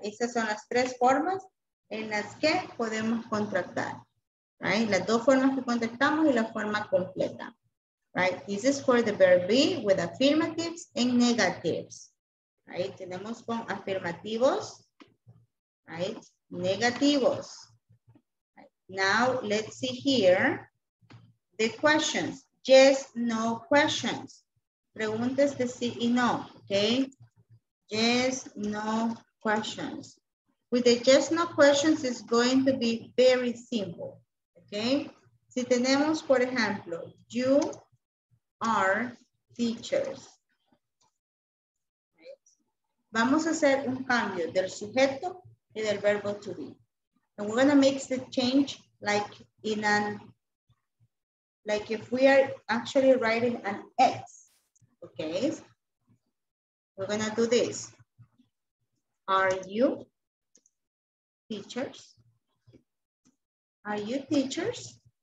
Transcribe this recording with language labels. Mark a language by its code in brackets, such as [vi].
[es] Esas son las tres formas en las que podemos contractar, right? Las dos formas que contractamos y la forma completa, right? [en] This is for the verb be with affirmatives and negatives, right? [es] Tenemos con afirmativos, right? [en] Negativos. Now, let's see here the questions. Yes, no questions. [es] Preguntas de sí y no, okay? [en] Yes, no questions. With the just no questions, it's going to be very simple, okay? [es] Si tenemos, por ejemplo, [en] you are teachers. [es] Right? Vamos a hacer un cambio del sujeto y del verbo to be. [en] And we're going to make the change like in an, like if we are actually writing an X, okay? We're going to do this. Are you teachers? Are you teachers?